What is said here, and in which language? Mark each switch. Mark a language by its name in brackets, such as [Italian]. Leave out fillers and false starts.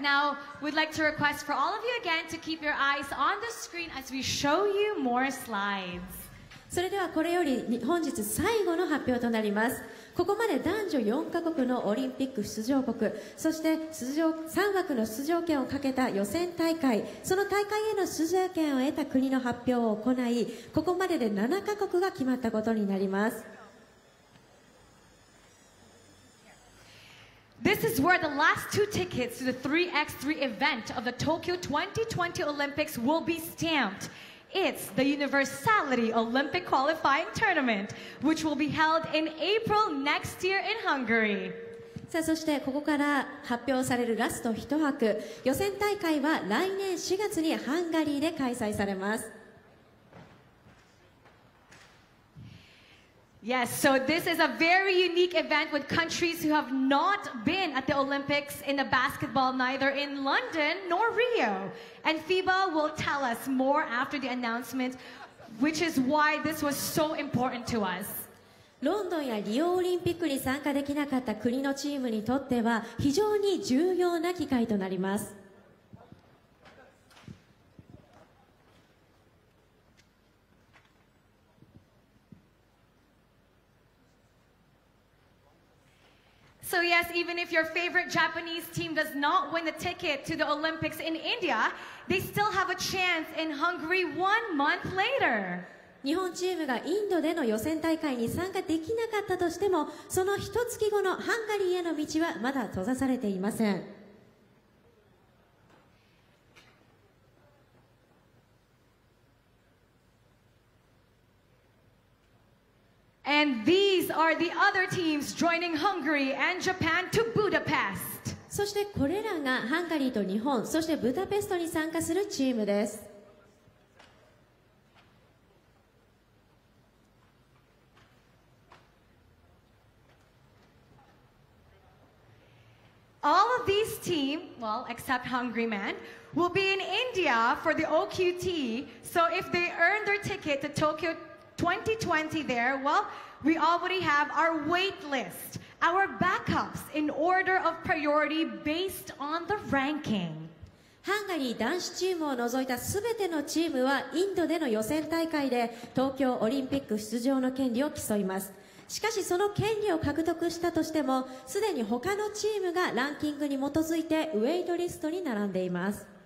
[English] Now, we'd like to request for all of you again to keep your eyes on the screen as we show you more slides. [Japanese] それではこれより本日最後の発表となります。ここまで男女4カ国のオリンピック出場国、そして出場3枠の出場権をかけた予選大会、その大会への出場権を得た国の発表を行い、ここまでで7カ国が決まったことになります。 [English] This is where the last two tickets to the 3x3 event of the Tokyo 2020 Olympics will be stampedIt's the Universality Olympic Qualifying Tournament, which will be held in April next year in Hungary. [Japanese] さあ、そしてここから発表されるラスト一枠、予選大会は来年4月にハンガリーで開催されます。 [English] Yes, so this is a very unique event with countries who have not been at the Olympics in the basketball, neither in London nor Rio. And FIBA will tell us more after the announcement, which is why this was so important to us. [Japanese] ロンドンやリオオリンピックに参加できなかった国のチームにとっては非常に重要な機会となります。 [English] So yes, even if your favorite Japanese team does not win the ticket to the Olympics in India, they still have a chance in Hungary 1 month later. [Japanese] 日本チームがインドでの予選大会に参加できなかったとしても、その一月後のハンガリーへの道はまだ閉ざされていません。 [English] And these are the other teams joining Hungary and Japan to Budapest. [Japanese] そしてこれらがハンガリーと日本、そしてブダペストに参加するチームです。 [English] All of these teams, well, except Hungry Man, will be in India for the OQT. So if they earn their ticket to Tokyo 2020 there, well, we already have our wait list, our backups in order of priority based on the ranking. [Japanese] ハンガリー男子チームを除いた全てのチームはインドでの予選大会で東京オリンピック出場の権利を競います。しかしその権利を獲得したとしても、すでに他のチームがランキングに基づいてウェイトリストに並んでいます。